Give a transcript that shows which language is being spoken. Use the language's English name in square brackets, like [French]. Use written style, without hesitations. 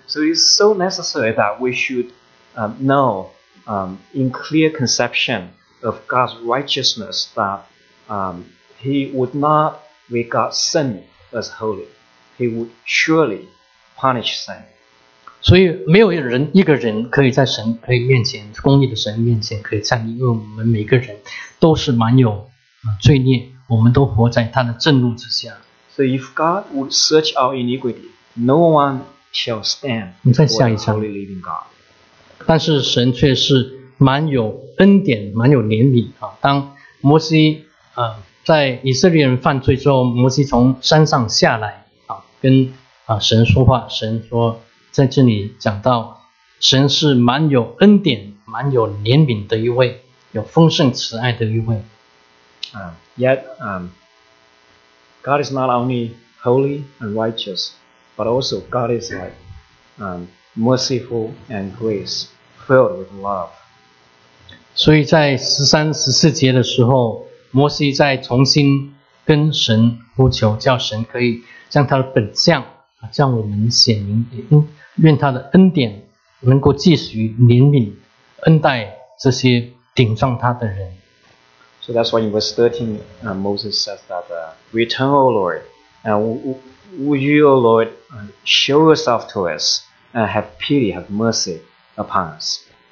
[English] So it's so necessary that we should know in clear conception of God's righteousness that He would not regard sin as holy. He would surely punish sin. [Chinese] 所以没有一个人可以在神可以面前公义的神面前可以站立，因为我们每个人都是满有罪孽，我们都活在他的震怒之下。 [English] So if God would search our iniquity, no one shall stand before the holy living God. [Chinese] 但是神却是蛮有恩典，蛮有怜悯啊。当摩西在以色列人犯罪之后，摩西从山上下来啊，跟神说话。神说在这里讲到，神是蛮有恩典、蛮有怜悯的一位，有丰盛慈爱的一位。 [English] God is not only holy and righteous, but also God is like merciful and grace, filled with love. [Chinese] 所以在13-14节的时候，摩西在重新跟神呼求，叫神可以将他的本相向我们显明，愿他的恩典能够继续怜悯、恩待这些顶撞他的人。 [English] So that's why in verse 13, Moses says that, Return, O Lord, and will you, O Lord, show yourself to us, and have pity, have mercy upon us.